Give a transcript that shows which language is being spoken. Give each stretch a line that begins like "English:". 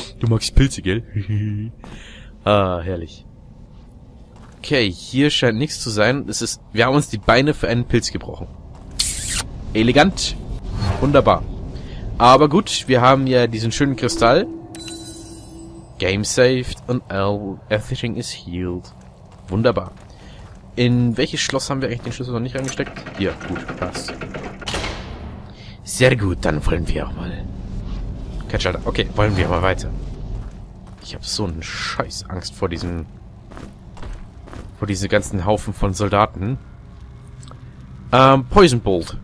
German: Du magst Pilze, gell? Ah, herrlich. Okay, hier scheint nichts zu sein. Es ist, wir haben uns die Beine für einen Pilz gebrochen. Elegant. Wunderbar. Aber gut, wir haben ja diesen schönen Kristall.
English: Game saved and everything is healed.
German: Wunderbar. In welches Schloss haben wir eigentlich den Schlüssel noch nicht reingesteckt? Hier, gut, passt. Sehr gut, dann wollen wir auch mal. Kein Schalter. Okay, wollen wir mal weiter. Ich habe so einen Scheiß Angst vor diesem... vor diesem ganzen Haufen von Soldaten. Poison Bolt.